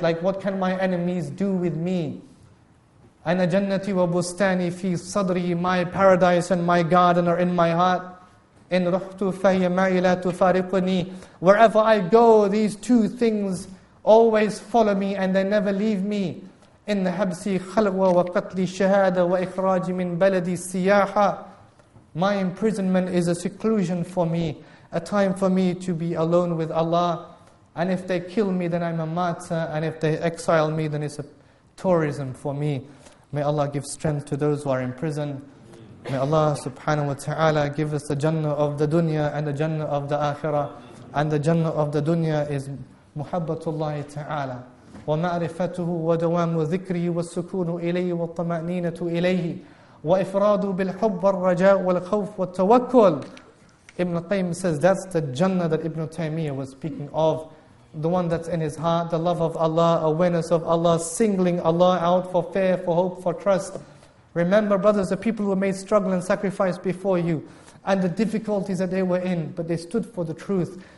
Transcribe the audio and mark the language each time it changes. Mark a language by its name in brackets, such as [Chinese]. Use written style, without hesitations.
[English] Like, what can my enemies do with me? [Arabic] أَنَا جَنَّتِي وَبُسْتَانِي فِي صَدْرِي. [English] My paradise and my garden are in my heart. [Arabic] إِنْ رُحْتُ فَهِيَ مَا إِلَىٰ تُفَارِقُنِي. [English] Wherever I go, these two things always follow me and they never leave me. [Arabic] إن حبسي خلوة وقتلي شهادة وإخراجي من بلدي سياحة. [English] My imprisonment is a seclusion for me, a time for me to be alone with Allah. And if they kill me, then I'm a martyr. And if they exile me, then it's a tourism for me. May Allah give strength to those who are in prison. May Allah subhanahu wa ta'ala give us the jannah of the dunya and the jannah of the akhirah. And the jannah of the dunya is muhabbatullah ta'ala. [Arabic] ومعرفته ودوام ذكره والسكون إليه والطمأنينة إليه وإفراد بالحب والرجاء والخوف والتوكل [English] Ibn Taymiyyah says that's the Jannah that Ibn Taymiyyah was speaking of. The one that's in his heart, the love of Allah, awareness of Allah, singling Allah out for fear, for hope, for trust. Remember, brothers, the people who made struggle and sacrifice before you and the difficulties that they were in, but they stood for the truth.